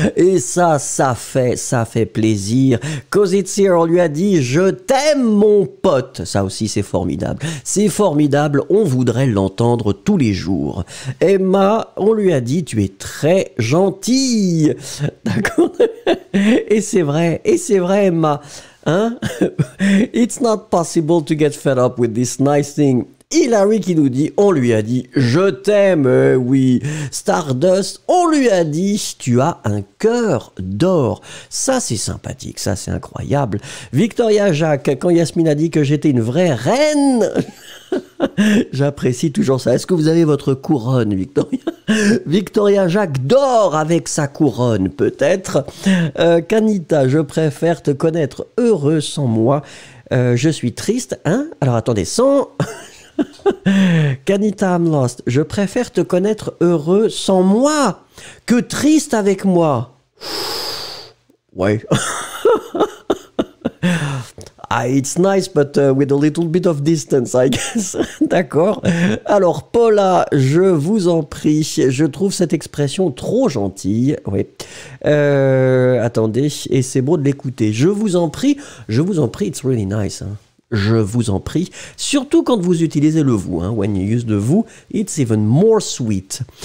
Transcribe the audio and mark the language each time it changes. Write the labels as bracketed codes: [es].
[fr] Et ça, ça fait plaisir. [en] Cause it's here, [fr] on lui a dit, je t'aime, mon pote. Ça aussi, c'est formidable. C'est formidable, on voudrait l'entendre tous les jours. Emma, on lui a dit, tu es très gentille. D'accord? Et c'est vrai, Emma. Hein? [en] It's not possible to get fed up with this nice thing. [fr] Hillary qui nous dit, on lui a dit, je t'aime, oui. Stardust, on lui a dit, tu as un cœur d'or. Ça, c'est sympathique, ça, c'est incroyable. Victoria Jacques, quand Yasmine a dit que j'étais une vraie reine, j'apprécie toujours ça. Est-ce que vous avez votre couronne, Victoria? Victoria Jacques dort avec sa couronne, peut-être. Canita, je préfère te connaître heureux sans moi. Je suis triste, hein? Alors, attendez, sans... Canita, [en] I'm lost. [fr] Je préfère te connaître heureux sans moi que triste avec moi. Ouais. [en] It's nice, but with a little bit of distance, I guess. [fr] D'accord. Alors, Paula, je vous en prie, je trouve cette expression trop gentille. Oui. Attendez, et c'est beau de l'écouter. Je vous en prie, [en] it's really nice. [fr] Hein. Je vous en prie. Surtout quand vous utilisez le « vous », hein. [en] When you use the « vous », it's even more sweet.